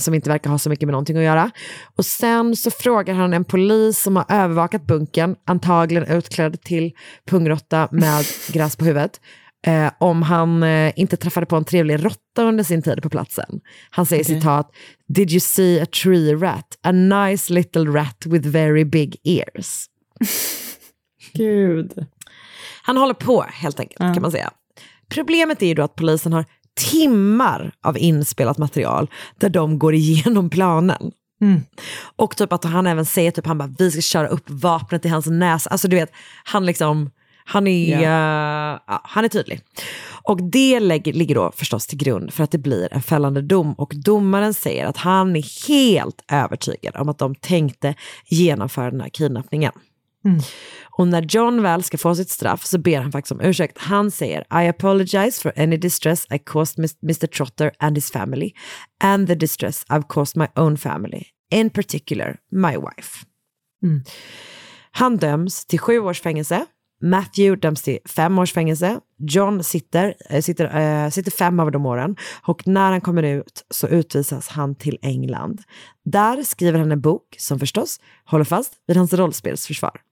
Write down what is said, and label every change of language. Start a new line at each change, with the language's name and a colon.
Swedish: Som inte verkar ha så mycket med någonting att göra. Och sen så frågar han en polis som har övervakat bunken, antagligen utklädd till pungrotta med gräs på huvudet, om han inte träffade på en trevlig råtta under sin tid på platsen. Han säger, okay, citat,
English: "Did you see a tree rat? A nice little rat with very big ears."
Swedish: Gud. Han håller på, helt enkelt, kan man säga. Problemet är ju då att polisen har timmar av inspelat material där de går igenom planen. Mm. Och typ att han även säger, typ, han bara, vi ska köra upp vapnet i hans näsa. Alltså du vet, han liksom, han är, han är tydlig. Och det ligger då förstås till grund för att det blir en fällande dom. Och domaren säger att han är helt övertygad om att de tänkte genomföra den här kidnappningen. Mm. Och när John väl ska få sitt straff, så ber han faktiskt om ursäkt. Han säger,
English: "I apologize for any distress I caused Mr. Trotter and his family, and the distress I've caused my own family, in particular my wife." Mm.
Swedish: Han döms till 7 års fängelse. Matthew döms till 5 års fängelse. John sitter 5 av de åren. Och när han kommer ut, så utvisas han till England. Där skriver han en bok som förstås håller fast vid hans rollspelsförsvar.